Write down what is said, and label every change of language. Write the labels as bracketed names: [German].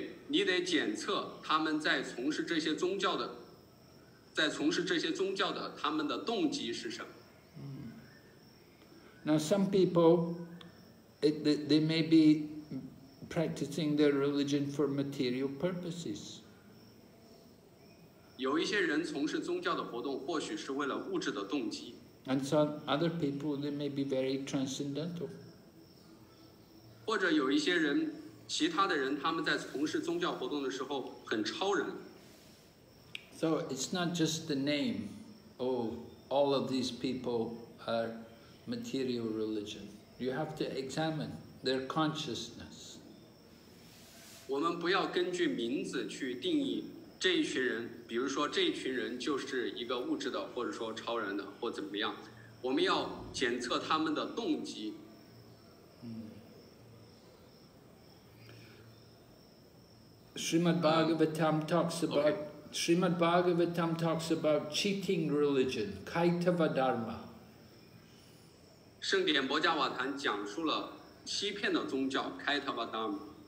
[Chinese] 你得检测他们在从事这些宗教的，在从事这些宗教的他们的动机是什么。 [English] Now some people, they may be practicing their religion for material purposes. [Chinese] 有一些人从事宗教的活动，或许是为了物质的动机。 [English] And some other people, they may be very transcendental. [Chinese] 或者有一些人。其他的人他们在从事宗教活动的时候很超人。 [English] So it's not just the name, oh, all of these people are material religion. You have to examine their consciousness. [Chinese] 我们不要根据名字去定义这一群人，比如说这一群人就是一个物质的，或者说超人的，或怎么样。我们要检测他们的动机。 [English] Srimad Bhagavatam talks about Srimad Bhagavatam talks about cheating religion, Kaitava Dharma. [Chinese] 圣典博迦瓦坛讲述了欺骗的宗教 Kaitava Dharma.